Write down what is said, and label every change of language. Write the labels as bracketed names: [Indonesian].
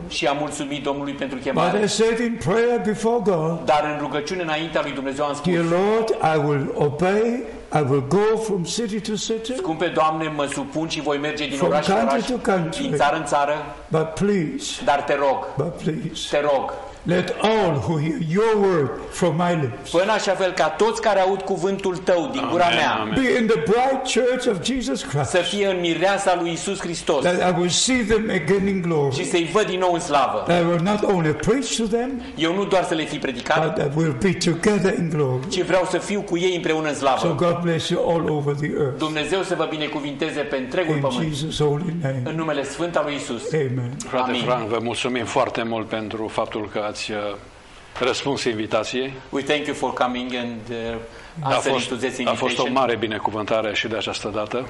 [Romanian] Și am mulțumit Domnului pentru chemare. [English] But I said in prayer before God. [Romanian] Dar în rugăciune înaintea lui Dumnezeu am spus. [English] Dear Lord, I will obey. I will go from city to city. [Romanian] Scumpe Doamne, mă supun și voi merge din oraș în oraș. [English] To country, [Romanian] din țară în țară. [English] But please. [Romanian] Dar te rog. [English] But please. [Romanian] Te rog. [English] Let all who hear your word from my lips. [Romanian] Până așa fel ca toți care aud cuvântul tău din gura mea. [English] Be in the bright church of Jesus Christ. [Romanian] Să fie în mireasa lui Iisus Hristos. [English] That I will see them again in glory. [Romanian] Și să-i văd din nou în slavă. [English] That I will not only preach to them. [Romanian] Eu nu doar să le fi predicat. [English] But that we'll be together in glory. [Romanian] Ci vreau să fiu cu ei împreună în slavă. [English] So God bless you all over the earth. [Romanian] Dumnezeu să vă binecuvinteze pe întregul pământ. [English] In Jesus' holy name. [Romanian] În numele sfânt al lui Iisus. [English] Amen. [Romanian] Frate Frank, vă mulțumim foarte mult pentru faptul că răspuns invitației. [English] We thank you for coming and answering to this invitation. [Romanian] A fost o mare binecuvântare și de această dată.